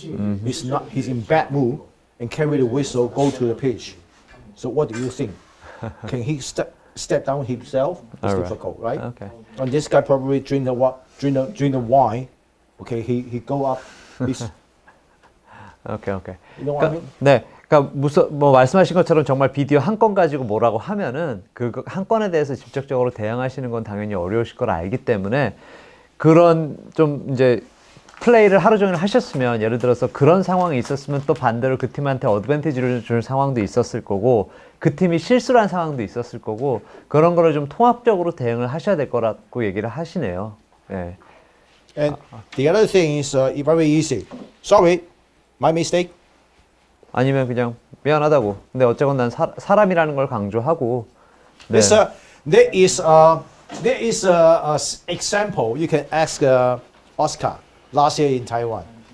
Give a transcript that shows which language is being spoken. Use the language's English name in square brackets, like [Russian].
[English] Mm-hmm. He's in bad mood and carry the whistle, go to the pitch. So what do you think? Can he step, step down himself, it's all difficult, right? Okay. And this guy probably drink the wine, okay, he go up. Okay, okay. You know what I mean? [Korean] 네. 그러니까 무슨 뭐 말씀하신 것처럼 정말 비디오 한 건 가지고 뭐라고 하면은 그 한 건에 대해서 직접적으로 대응하시는 건 당연히 어려우실 걸 알기 때문에 그런 좀 이제 플레이를 하루 종일 하셨으면 예를 들어서 그런 상황이 있었으면 또 반대로 그 팀한테 어드밴티지를 줄 상황도 있었을 거고 그 팀이 실수를 한 상황도 있었을 거고 그런 거를 좀 통합적으로 대응을 하셔야 될 거라고 얘기를 하시네요. 예. [English] And the other thing is very easy. Sorry, my mistake. [Korean] 아니면 그냥 미안하다고. 근데 어쨌건 난 사람이라는 걸 강조하고. 네. [English] Yes, there is a example you can ask Oscar last year in Taiwan.